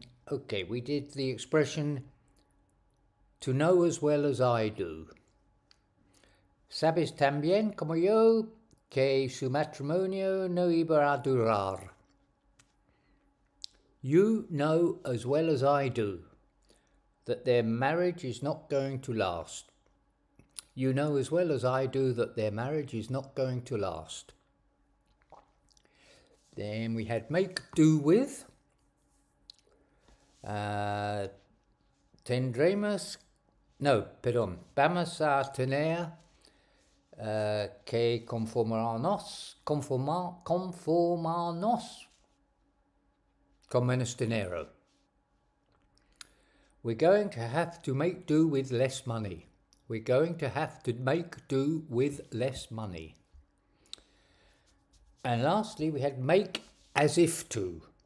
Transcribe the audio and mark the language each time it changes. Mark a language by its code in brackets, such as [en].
[en] Okay, we did the expression to know as well as I do. [es] Sabes también como yo que su matrimonio no iba a durar. [en] You know as well as I do that their marriage is not going to last. You know as well as I do that their marriage is not going to last. Then we had make do with. [es] Tendremos, no, perdón, vamos a tener que conformarnos con menos dinero. [en] We're going to have to make do with less money. We're going to have to make do with less money. And lastly, we had make as if to.